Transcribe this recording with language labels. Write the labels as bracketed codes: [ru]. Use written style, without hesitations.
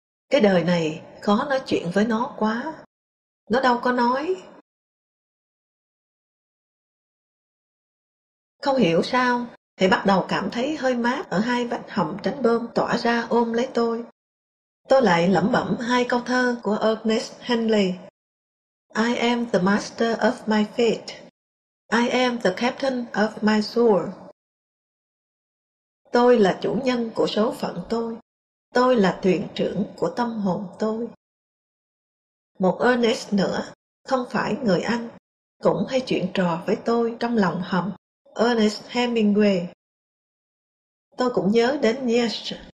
[vi] Cái đời này khó nói chuyện với nó quá. Nó đâu có nói. Không hiểu sao thì bắt đầu cảm thấy hơi mát ở hai vách hồng tránh bơm tỏa ra ôm lấy tôi. Tôi lại lẩm bẩm hai câu thơ của Ernest Henley. [en] I am the master of my fate. I am the captain of my soul. [vi] Tôi là chủ nhân của số phận tôi. Tôi là thuyền trưởng của tâm hồn tôi. Một Ernest nữa, không phải người Anh, cũng hay chuyện trò với tôi trong lòng hầm. Ernest Hemingway. Tôi cũng nhớ đến Nietzsche.